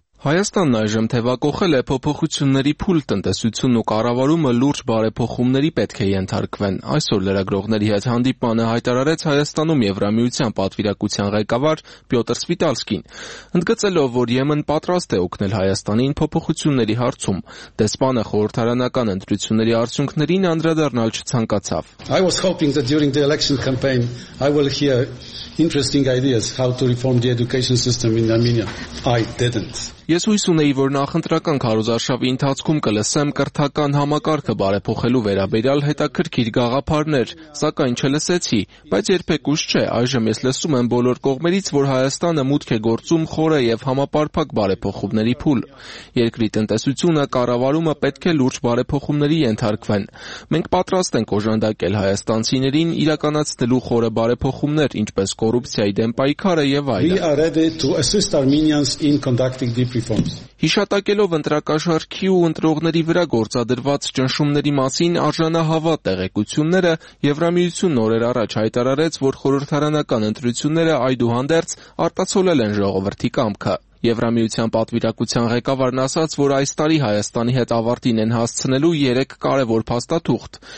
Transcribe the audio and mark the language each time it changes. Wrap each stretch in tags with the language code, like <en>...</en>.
<hy>Հայաստանն այժմ թևակոխել է փոփոխությունների փուլ, տնտեսություն ու կառավարումը լուրջ բարեփոխումների պետք է ենթարկվեն։ Այսօր լրագրողների հետ հանդիպմանը հայտարարեց Հայաստանում Եվրամիության պատվիրակության ղեկավար Պյոտր Սվիտալսկին, ընդգծելով, որ ԵՄ-ն պատրաստ է օգնել Հայաստանին փոփոխությունների հարցում։ Դեսպանը խորհրդարանական ընտրությունների արդյունքներին անդրադառնալ չցանկացավ։</hy> <en>I was hoping that during the election campaign I will hear interesting ideas how to reform the education system in Armenia. I didn't.</en> <hy>Ես հույս ունեի, որ նախընտրական քարոզարշավի ընթացքում կլսեմ կրթական համակարգը բարեփոխելու վերաբերյալ հետաքրքիր գաղափարներ, սակայն չլսեցի, բայց երբեք ուշ չէ, այժմ ես լսում եմ բոլոր կողմերից, որ Հայաստանը մուտք է գործում խորը եւ համապարփակ բարեփոխումների փուլ։ Երկրի տնտեսությունը, կառավարումը պետք է լուրջ բարեփոխումների ենթարկվեն։ Մենք պատրաստ ենք օժանդակել հայաստանցիներին իրականացնելու խորը բարեփոխումներ, ինչպես կոռուպցիայի դեմ պայքարը եւ այլն։</hy> <en>We are ready to assist Armenians in conducting deep reforms.</en> <hy>Հիշատակելով ընտրակաշարքի ու ընտրողների վրա գործադրված ճնշումների մասին արժանահավատ տեղեկությունները, Եվրամիությունն օրեր առաջ հայտարարեց, որ խորհրդարանական ընտրությունները այդուհանդերձ արտացոլել են ժողովրդի կամքը։ Եվրամիության պատվիրակության ղեկավարն ասաց, որ այս տարի Հայաստանի հետ ավարտին են հասցնելու 3 կարևոր փաստաթուղթ,</hy>